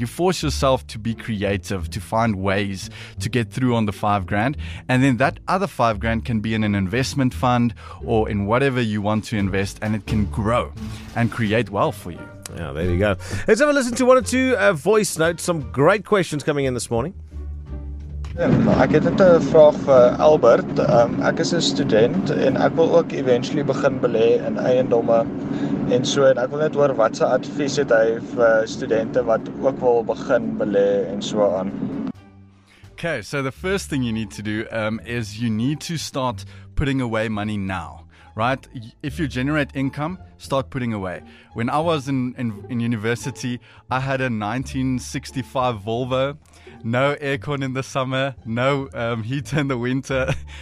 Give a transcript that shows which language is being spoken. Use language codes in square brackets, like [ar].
[en] You force yourself to be creative, to find ways to get through on the 5 grand. And then that other 5 grand can be in an investment fund or in whatever you want to invest, and it can grow and create wealth for you. Yeah, there you go. Let's have a listen to one or two voice notes. Some great questions coming in this morning. [af] Ek het net 'n vraag vir Albert. Ek is 'n student en ek wil ook eventually begin belê in eiendomme en so, en ek wil net hoor wat se advies het hy vir studente wat ook wil begin belê en so aan. [en] Okay, so the first thing you need to do is you need to start putting away money now. Right? If you generate income, start putting away. When I was in university, I had a 1965 Volvo. No aircon in the summer, no heater in the winter.